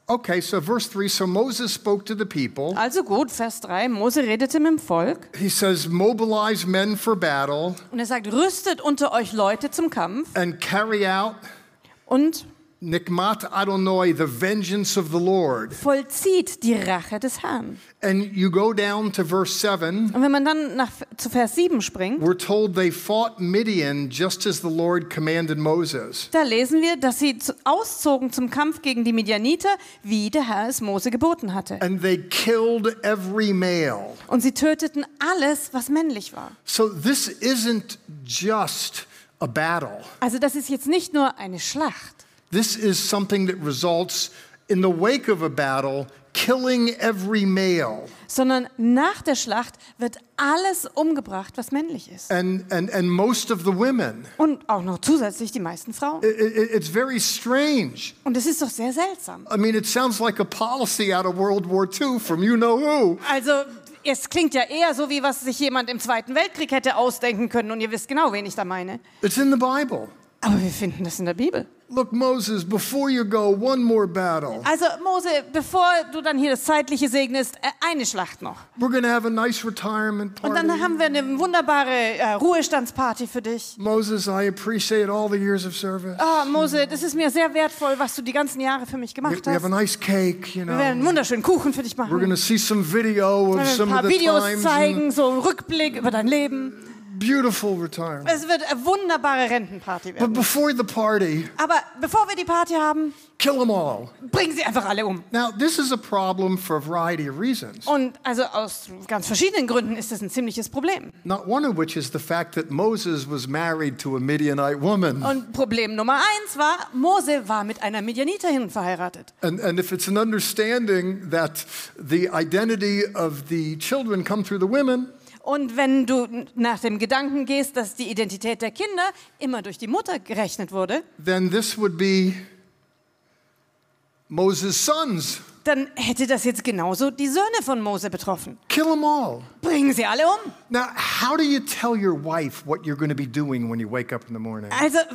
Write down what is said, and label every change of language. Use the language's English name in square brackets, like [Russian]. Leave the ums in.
[English] Okay, so verse 3, so Moses spoke to the people. [German] Also gut, Vers 3, Mose redete mit dem Volk. [English] He says, mobilize men for battle. [German] Und er sagt, rüstet unter euch Leute zum Kampf. [English] And carry out. [German] Und Vollzieht die Rache des Herrn. [English] And you go down to verse 7. [German] Und wenn man dann nach, zu Vers 7 springt. [English] We're told they fought Midian just as the Lord commanded Moses. [German] Da lesen wir, dass sie auszogen zum Kampf gegen die Midianiter, wie der Herr es Mose geboten hatte. [English] And they killed every male. [German] Und sie töteten alles, was männlich war. [English] So this isn't just a battle. [German] Also das ist jetzt nicht nur eine Schlacht. [English] This is something that results in the wake of a battle killing every male. [German] Sondern nach der Schlacht wird alles umgebracht, was männlich ist. [English] And, and, and most of the women. [German] Und auch noch zusätzlich die meisten Frauen. [English] It, it, it's very strange. [German] Und es ist doch sehr seltsam. [English] I mean, it sounds like a policy out of World War II from you know who. [German] Also, es klingt ja eher so, wie was sich jemand im Zweiten Weltkrieg hätte ausdenken können. Und ihr wisst genau, wen ich da meine. [English] It's in the Bible. [German] Aber wir finden das in der Bibel. [English] Look, Moses, before you go, one more battle. [German] Also, Mose, bevor du dann hier das Zeitliche segnest, eine Schlacht noch. [English] We're gonna have a nice retirement party. [German] Und dann haben wir eine wunderbare äh, Ruhestandsparty für dich. [English] Moses, I appreciate all the years of service. Oh, Mose, you know. [German] das ist mir sehr wertvoll, was du die ganzen Jahre für mich gemacht hast. [English] We, have a nice cake, you know. [German] Wir werden einen wunderschönen Kuchen für dich machen. [English] We're gonna see some video of [German] wir werden ein paar Videos zeigen, so einen Rückblick über dein Leben. [English] beautiful retirement. [German] Es wird eine wunderbare Rentenparty werden. [English] But before the party, [German] Aber bevor wir die Party haben, [English] kill them all. [German] bringen sie einfach um. [English] Now, this is a problem for a variety of reasons. [German] Und also aus ganz verschiedenen Gründen ist das ein ziemliches Problem. [English] Not one of which is the fact that Moses was married to a Midianite woman. [German] Und [English] Problem number one was [German] Mose war mit einer Midianiterin verheiratet. [English] And, and if it's an understanding that the identity of the children come through the women, [German] Und wenn du nach dem Gedanken gehst, dass die Identität der Kinder immer durch die Mutter gerechnet wurde, dann hätte das jetzt genauso die Söhne von Mose betroffen. [English] Kill them all. [German] Bringen sie alle um. Also